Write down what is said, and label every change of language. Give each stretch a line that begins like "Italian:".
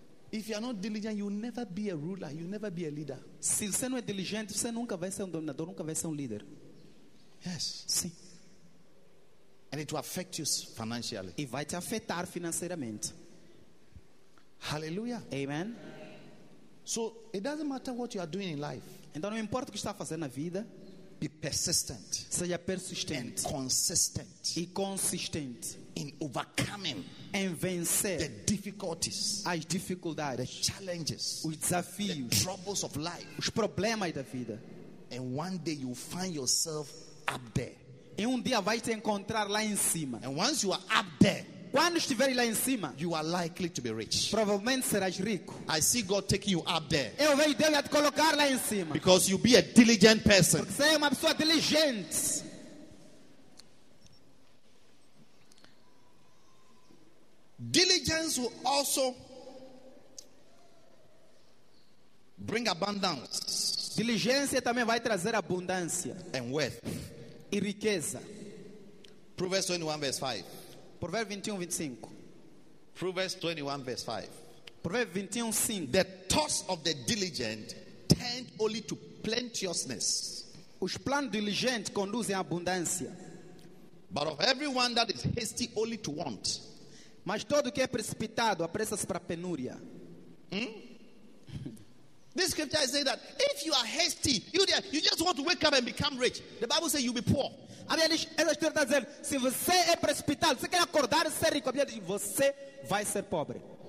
English: If you are not diligent, you will never be a ruler. You will never be a leader.
Portuguese: Se você não é diligente, você nunca vai ser dominador, nunca vai ser líder.
English: Yes.
Portuguese: Sim.
English: And it will affect you financially.
Portuguese: E vai te afetar financeiramente.
English: Hallelujah.
Portuguese: Amen.
English: So it doesn't matter what you are doing in life.
Portuguese: Então não importa o que está fazendo na vida.
English: Be persistent.
Portuguese: Seja persistente.
English: And consistent.
Portuguese: E consistente.
English: In overcoming.
Portuguese: Em vencer.
English: The difficulties.
Portuguese: As dificuldades.
English: The challenges.
Portuguese: Os desafios.
English: The troubles of life.
Portuguese: Os problemas da vida.
English: And one day you find yourself up there.
Portuguese: E um dia vai te encontrar lá em cima.
English: And once you are up there.
Portuguese: Quando estiver lá em cima,
English: you are likely to be rich.
Portuguese: Provavelmente serás rico.
English: I see God taking you up there.
Portuguese: Eu vejo Deus a te colocar lá em cima.
English: Because you'll be a diligent person.
Portuguese: Porque você é uma pessoa diligente.
English: Diligence will also bring abundance.
Portuguese: Diligência também vai trazer abundância.
English: And wealth.
Portuguese: E riqueza.
English: Proverbs 21 verse 5. Proverbs 21, 5. The thoughts of the diligent tend only to plenteousness.
Portuguese: Os planos diligentes conduzem à abundância.
English: But of everyone that is hasty only to want.
Portuguese: Mas todo que é precipitado apressa-se para a penúria.
English: This scripture is saying that if you are hasty, you just want to wake up and become rich. The Bible says you'll be poor.
Portuguese: A Bíblia diz, essa história está dizendo, se você é precipitado, você quer acordar e ser rico, a Bíblia diz, você vai ser pobre.